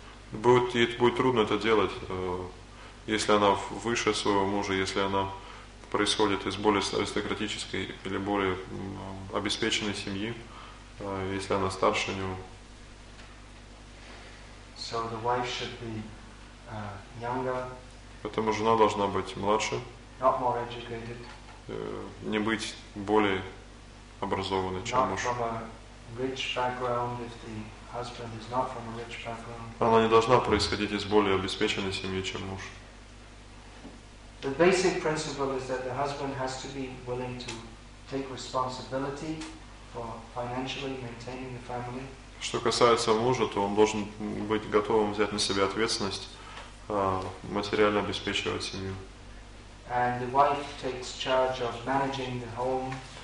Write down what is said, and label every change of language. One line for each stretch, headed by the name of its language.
Russian: Будет трудно это делать. Если она выше своего мужа, если она происходит из более аристократической или более обеспеченной семьи, если она старше него.
English: So the wife should be younger.
Russian: Поэтому жена должна быть младше.
English: Not more educated.
Russian: Не быть более образованной, чем
English: not
Russian: муж.
English: From a rich background, if the husband is not from a rich background.
Russian: Она не должна происходить из более обеспеченной семьи, чем муж.
English: The basic principle is that the husband has to be willing to take responsibility for financially maintaining the family.
Russian: Что касается мужа, то он должен быть готовым взять на себя ответственность, материально обеспечивать семью.
English: And the wife takes charge of managing the home.